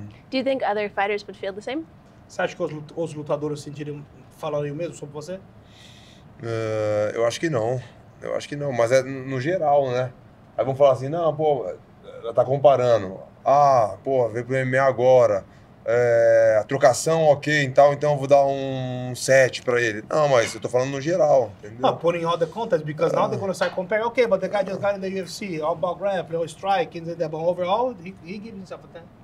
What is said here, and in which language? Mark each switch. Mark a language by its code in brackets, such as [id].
[en] Do you think other fighters would feel the same? [pt] Você acha que os lutadores sentiriam, falariam o mesmo sobre você? Eu acho que não. Eu acho que não. Mas é no geral, né? Aí vão falar assim, não, pô, ela tá comparando. Ah, pô, veio pro MMA agora. É, a trocação, ok, então eu vou dar um 7 pra ele. Não, mas eu tô falando no geral, entendeu? [en] Oh, putting all the contest, because now they're gonna start comparing, okay, but the guy just got in the UFC, all about grappling, all striking, but overall, he gives himself a 10.